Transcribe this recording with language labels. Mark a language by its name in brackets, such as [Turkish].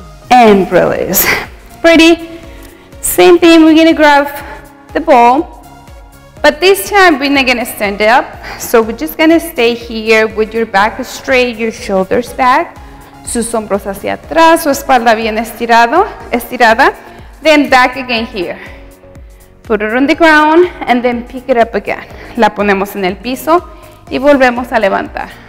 [English] And release. Pretty. Same thing, we're gonna grab the ball. But this time, we're not gonna stand up. So we're just gonna stay here with your back straight, your shoulders back. [Spanish] Sus hombros hacia atrás, su espalda bien estirado, estirada. [English] Then back again here. Put it on the ground and then pick it up again. [Spanish] La ponemos en el piso y volvemos a levantar.